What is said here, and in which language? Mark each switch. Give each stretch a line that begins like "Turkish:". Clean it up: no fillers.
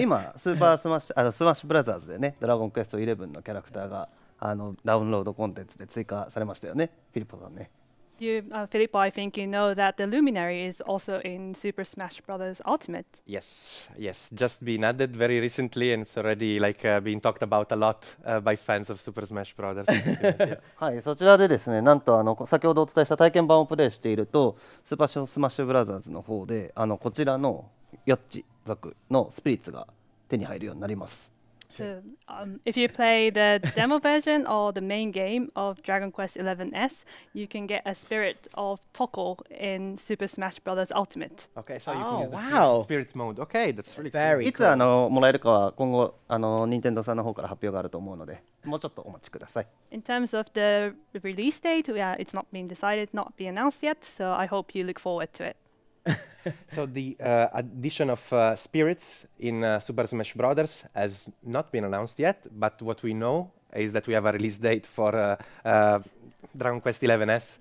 Japanese: 今、スーパースマッシュ、スマッシュブラザーズでね、ドラゴンクエスト11のキャラクターがダウンロードコンテンツで追加されましたよね、フィリッポさんね。
English: You, Filippo, I think you know that the Luminary is also in Super Smash Brothers Ultimate. Yes, yes, just been added very recently, and it's already like being talked about a lot by fans of Super Smash Brothers.
Japanese: はい、そちらでですね、なんと先ほどお伝えした体験版をプレイしていると、スーパースマッシュブラザーズの方でこちらのヨッチ族のスピリッツが手に入るようになります。
English: So, if you play the demo version or the main game of Dragon Quest XI S, you can get a spirit of Toko in Super Smash Bros. Ultimate. Okay, so you can use the spirit mode. Okay, that's really very cool.
Japanese: いつもらえるかは今後Nintendo さんの方から発表があると思うので、もうちょっとお待ちください。
English: In terms of the release date, yeah, it's not been decided, not been announced yet. So I hope you look forward to it. So the addition of spirits in Super Smash Brothers has not been announced yet, but what we know is that we have a release date for Dragon Quest XI S.